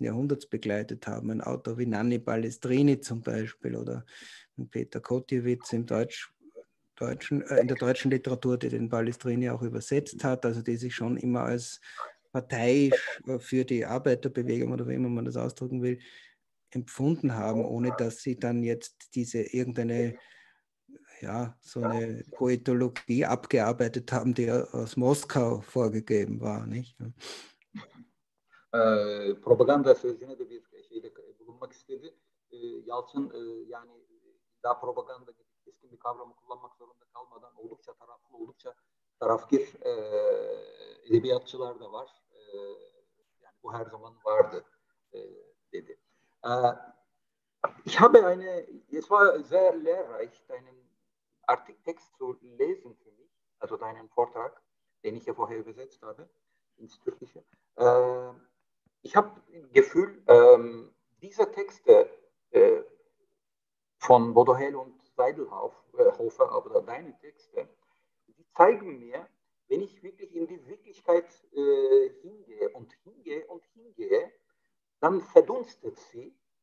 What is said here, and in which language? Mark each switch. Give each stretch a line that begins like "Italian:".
German: Jahrhunderts begleitet haben. Ein Autor wie Nanni Balestrini zum Beispiel oder Peter Kotiewicz in der deutschen Literatur, die den Balestrini auch übersetzt hat, also die sich schon immer als parteiisch für die Arbeiterbewegung oder wie immer man das ausdrücken will, empfunden haben, ohne dass sie dann jetzt eine Poetologie abgearbeitet haben, die aus Moskau vorgegeben war, nicht?
Turkish: Propaganda sözüne de bir şeyle bulunmak istedi. Yalçın yani daha propaganda gibi keskin bir kavramı kullanmak zorunda kalmadan oldukça taraflı, oldukça tarafkir edebiyatçılar da var. Yani bu her zaman vardı dedi.
German: Ich habe eine, es war sehr lehrreich, deinen Text zu lesen für mich, also deinen Vortrag, den ich ja vorher übersetzt habe, ins Türkische. Ich habe das Gefühl, diese Texte von Bodohel und Seidelhofer, aber deine Texte, die zeigen mir, wenn ich wirklich in die Wirklichkeit hingehe, dann verdunstet sie.